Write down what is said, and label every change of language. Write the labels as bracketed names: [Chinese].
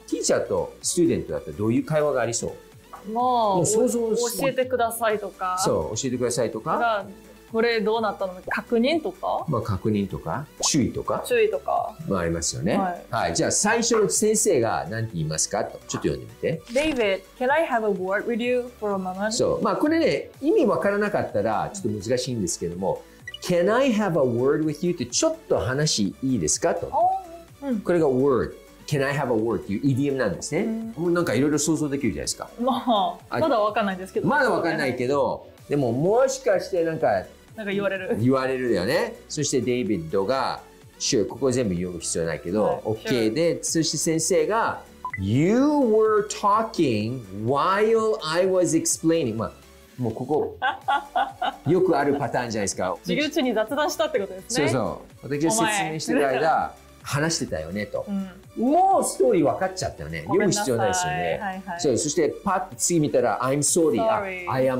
[Japanese] Teacher と student だったらどういう会話がありそう、まあ、もう想像して。教えてくださいとか。そう、教えてくださいとか。これどうなったの？確認とか？まあ確認とか、注意とか。注意とか。まあありますよね。はい。はい、じゃあ最初の先生が何て言いますかと、ちょっと読んでみて。 [English] David, can I have a word with you for a moment? [Japanese] そう。まあこれね、意味わからなかったらちょっと難しいんですけども、 [English] can I have a word with you [Japanese] ってちょっと話いいですかと。あ、うん、これが word。 [English] Can I have a word? [Japanese] っていうイディオムなんですね。うん、なんかいろいろ想像できるじゃないですか。まあ、まだわかんないですけど。まだわかんないけど、でももしかしてなんか、なんか言われる。言われるよね。そしてデイビッドが、sure、ここ全部読む必要ないけど、はい、OK で、sure。そして先生が、 [English] You were talking while I was explaining。 [Japanese] まあ、もうここ、よくあるパターンじゃないですか。授業中に雑談したってことですね。そうそう。私が説明してる間、話してたよねと、うん。もうストーリー分かっちゃったよね。読む必要ないですよね。はいはい、そう、そして、パッと次見たら、 [English] I'm sorry。